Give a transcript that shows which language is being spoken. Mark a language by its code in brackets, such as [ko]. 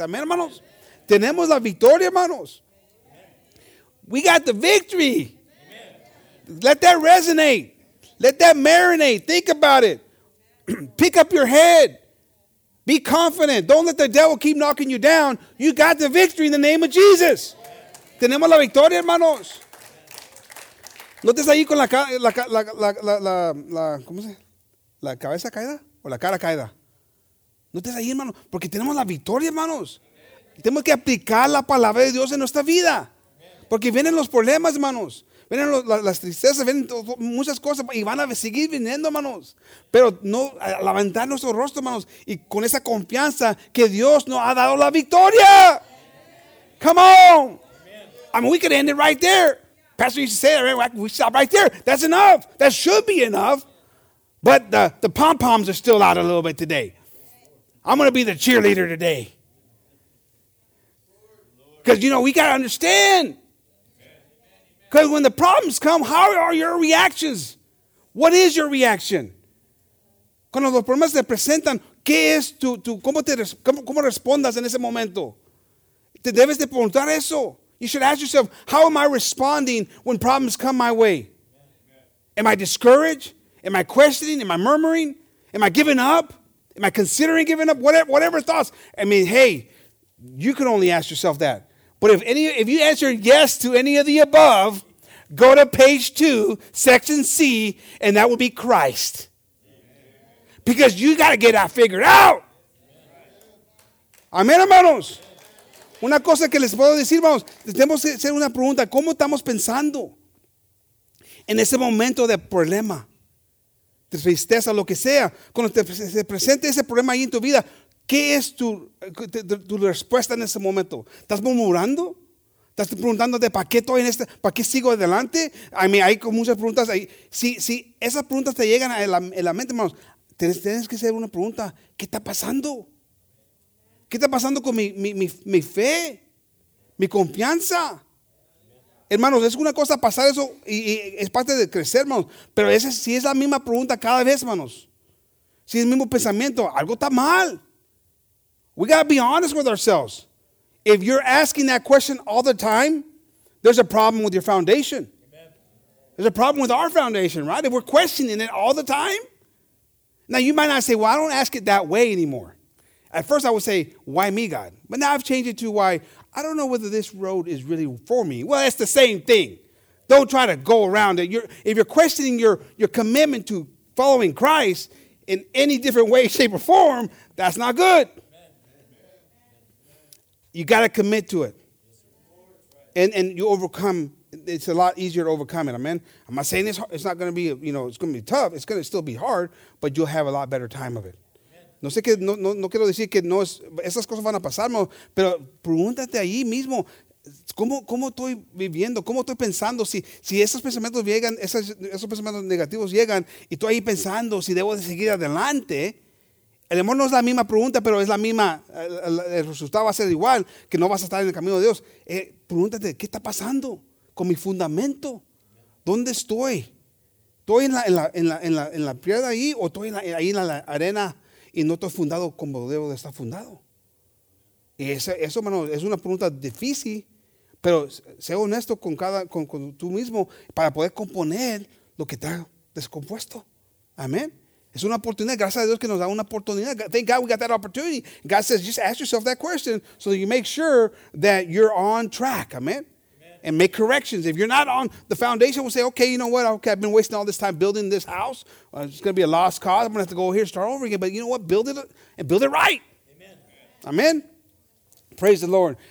[es] Amen, hermanos. Amen. Tenemos la victoria, hermanos. [en] We got the victory. [es] Amen. [en] Let that resonate. Let that marinate. Think about it. Pick up your head. Be confident. Don't let the devil keep knocking you down. You got the victory in the name of Jesus. [es] Amen. Tenemos la victoria, hermanos. ¿No estás ahí con la cómo se la cabeza caída o la cara caída? ¿No estás ahí, hermano? Porque tenemos la victoria, hermanos. Amen. Tenemos que aplicar la palabra de Dios en nuestra vida. Porque vienen los problemas, hermanos. Vienen las tristezas, vienen muchas cosas y van a seguir viniendo, hermanos. Pero no levantar nuestro rostro, hermanos, y con esa confianza que Dios nos ha dado la victoria. [en] Amen. Come on. Amen. I mean, we could end it right there. Pastor used to say that, right? We stop right there. That's enough. That should be enough. But the pom-poms are still out a little bit today. I'm going to be the cheerleader today. Because, you know, we got to understand. Because when the problems come, how are your reactions? What is your reaction? [es] Cuando los problemas se presentan, ¿qué es tu cómo respondas en ese momento? Te debes de preguntar eso. [en] You should ask yourself, how am I responding when problems come my way? Am I discouraged? Am I questioning? Am I murmuring? Am I giving up? Am I considering giving up? Whatever thoughts. I mean, hey, you can only ask yourself that. But if you answer yes to any of the above, go to page 2, section C, and that will be Christ. Because you got to get that figured out. [es] Amén, hermanos. Una cosa que les puedo decir, vamos, tenemos que hacer una pregunta. ¿Cómo estamos pensando en ese momento de problema, de tristeza, lo que sea? Cuando se presente ese problema ahí en tu vida, ¿qué es tu respuesta en ese momento? ¿Estás murmurando? ¿Estás preguntando de para qué estoy en este, para qué sigo adelante? [en] I mean, [es] hay muchas preguntas ahí. Si esas preguntas te llegan a la mente, hermanos, tienes que hacer una pregunta. ¿Qué está pasando? ¿Qué está pasando con mi fe? ¿Mi confianza? Hermanos, es una cosa pasar eso y es parte de crecer, hermanos. Pero ese, si es la misma pregunta cada vez, hermanos. Si es el mismo pensamiento, algo está mal. [en] We got to be honest with ourselves. If you're asking that question all the time, there's a problem with your foundation. There's a problem with our foundation, right? If we're questioning it all the time. Now, you might not say, well, I don't ask it that way anymore. At first, I would say, why me, God? But now I've changed it to why, I don't know whether this road is really for me. Well, it's the same thing. Don't try to go around it. If you're questioning your commitment to following Christ in any different way, shape, or form, that's not good. You got to commit to it. And you overcome. It's a lot easier to overcome it. Amen. I'm not saying it's not going to be, you know, it's going to be tough. It's going to still be hard, but you'll have a lot better time of it. [es] No sé que no quiero decir que no es, esas cosas van a pasar, pero pregúntate ahí mismo, ¿cómo estoy viviendo? ¿Cómo estoy pensando? Si esos pensamientos llegan, esos pensamientos negativos llegan, y estoy ahí pensando si debo de seguir adelante, el amor no es la misma pregunta, pero es la misma, el resultado va a ser igual, que no vas a estar en el camino de Dios. Pregúntate, ¿qué está pasando con mi fundamento? ¿Dónde estoy? ¿Estoy en la piedra ahí o estoy ahí en la arena? Y no estoy fundado como debo de estar fundado. Y eso, hermano, es una pregunta difícil. Pero sé honesto con tú mismo para poder componer lo que está descompuesto. Amén. Es una oportunidad. Gracias a Dios que nos da una oportunidad. [en] Thank God we got that opportunity. God says, just ask yourself that question so that you make sure that you're on track. Amén. And make corrections. If you're not on the foundation, we'll say, okay, you know what? Okay, I've been wasting all this time building this house. It's going to be a lost cause. I'm going to have to go over here and start over again. But you know what? Build it and build it right. Amen. Amen. Praise the Lord.